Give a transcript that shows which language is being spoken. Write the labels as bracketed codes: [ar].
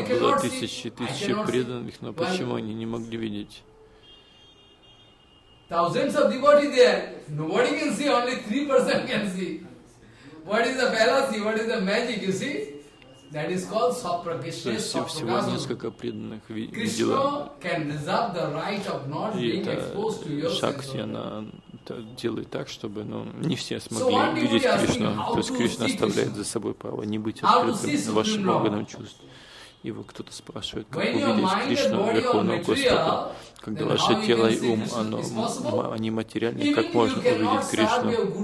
[ru] Это было тысячи преданных, но почему они не могли видеть? [en] Thousands of devotees there. Nobody can see, only 3% can see. What is the fallacy? What is the magic, you see? That is called Saprakishna. [ru] То есть всего несколько преданных видела. [en] Krishna can reserve the right of not being exposed to your [ru] Shakti, она делает так, чтобы не все смогли видеть Кришну. То есть Кришна оставляет за собой право не быть открытым вашим органам чувств. И вот кто-то спрашивает, как увидеть Кришну Верховного Господа, когда ваше тело и ум, они материальны, как можно увидеть Кришну?